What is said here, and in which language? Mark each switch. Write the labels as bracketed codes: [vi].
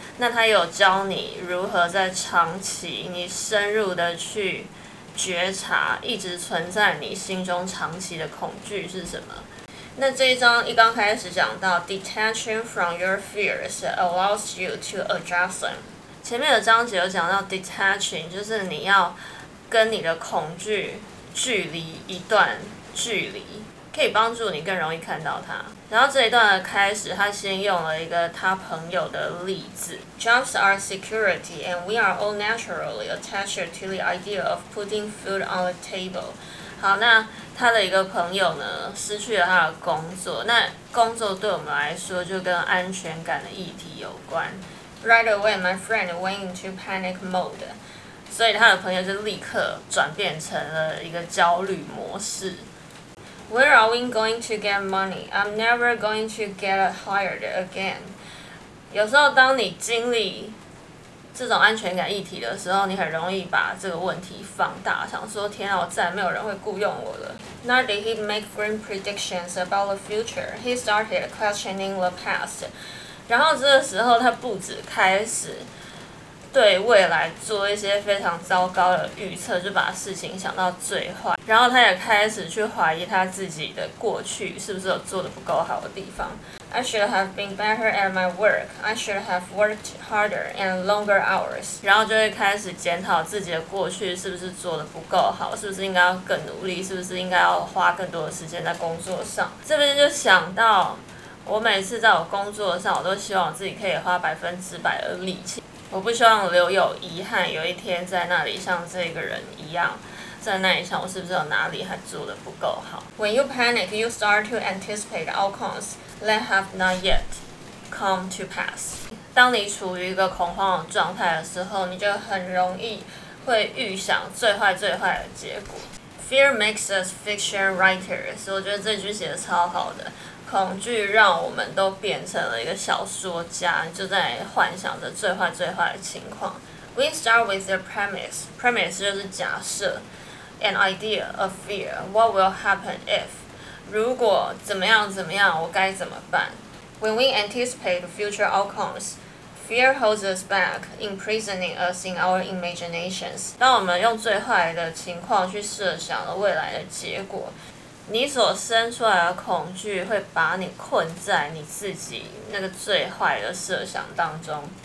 [zh] 那它有教你如何在长期，你深入的去觉察一直存在你心中长期的恐惧是什么。那这一章一刚开始讲到 [en] Detaching from your fears allows you to address them。 [zh] 前面的章节有讲到 Detaching， 就是你要跟你的恐惧距离一段距离，可以帮助你更容易看到它。然后这一段的开始，他先用了一个他朋友的例子。 [en] Jobs are security, and we are all naturally attached to the idea of putting food on the table. [zh] 好，那他的一个朋友呢，失去了他的工作。那工作对我们来说，就跟安全感的议题有关。 [en] Right away, my friend went into panic mode. [zh] 所以他的朋友就立刻转变成了一个焦虑模式。 [en] Where are we going to get money? I'm never going to get hired again. [zh] 有时候当你经历这种安全感议题的时候，你很容易把这个问题放大，想说天啊，我再也没有人会雇用我了。 [en] Nor did he make grim predictions about the future. He started questioning the past. [zh] 然后这个时候他不止开始对未来做一些非常糟糕的预测，就把事情想到最坏，然后他也开始去怀疑他自己的过去是不是有做得不够好的地方。 [en] I should have been better at my work. I should have worked harder and longer hours. [zh] 然后就会开始检讨自己的过去是不是做得不够好，是不是应该要更努力，是不是应该要花更多的时间在工作上。这边就想到我每次在我工作上，我都希望自己可以花百分之百的力气，我不希望留有遗憾，有一天在那里像这个人一样，在那里想我是不是有哪里还做得不够好。 [en] When you panic, you start to anticipate outcomes that have not yet come to pass. [zh] 当你处于一个恐慌的状态的时候，你就很容易会预想最坏最坏的结果。 [en] Fear makes us fiction writers. [zh] 我觉得这句写得超好的。恐惧让我们都变成了一个小说家，就在幻想着最坏最坏的情况。 [en] We start with the premise. Premise [zh] 就是假设 [en] ，an idea, a fear. What will happen if? [zh] 如果怎么样怎么样，我该怎么办 [en] ？When we anticipate future outcomes, fear holds us back, imprisoning us in our imaginations. [zh] 当我们用最坏的情况去设想了未来的结果，你所生出来的恐惧会把你困在你自己那个最坏的设想当中。